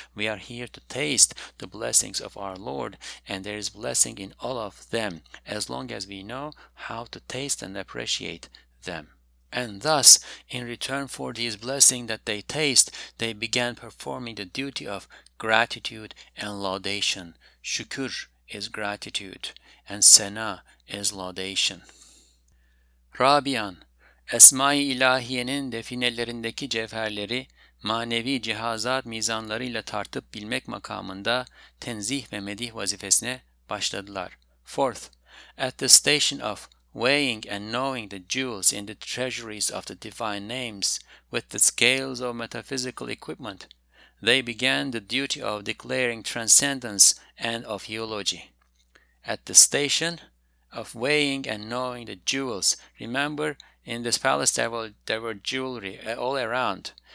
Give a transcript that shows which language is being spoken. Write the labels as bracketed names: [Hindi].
[English] We are here to taste the blessings of our Lord, and there is blessing in all of them, as long as we know how to taste and appreciate them. And thus, in return for these blessings that they taste, they began performing the duty of gratitude and laudation. Şükür is gratitude, and sena is laudation. [Turkish] Rabian, Esma-i İlahiyenin definelerindeki cevherleri manevi cihazat mizanlarıyla tartıp bilmek makamında tenzih ve medih vazifesine başladılar. [English] Fourth, at the station of weighing and knowing the jewels in the treasuries of the divine names with the scales of metaphysical equipment, they began the duty of declaring transcendence and of eulogy. At the station of weighing and knowing the jewels, remember, in this palace there were jewelry all around.